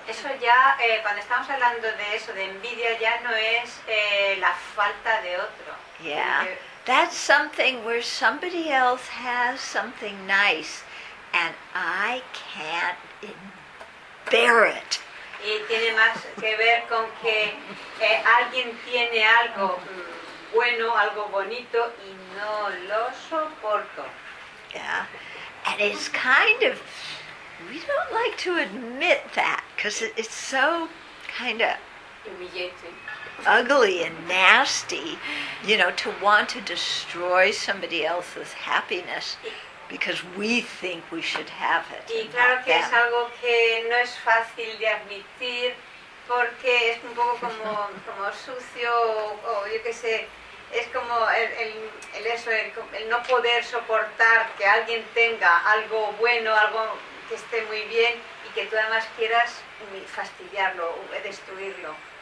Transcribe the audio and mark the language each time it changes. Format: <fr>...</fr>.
<es>Eso ya, cuando estamos hablando de eso, de envidia, ya no es la falta de otro.</es> <en>Yeah. That's something where somebody else has something nice and I can't bear it. Y tiene más que ver con que alguien tiene algo bueno, algo bonito y no lo soporto. Yeah. And it's kind of, we don't like to admit that because it's so kind of humiliating. Ugly and nasty, you know, to want to destroy somebody else's happiness because we think we should have it.</en> <es>Y claro que es algo que no es fácil de admitir porque es un poco como sucio o yo qué sé, es como el no poder soportar que alguien tenga algo bueno, algo que esté muy bien y que tú además quieras fastidiarlo, destruirlo.</es>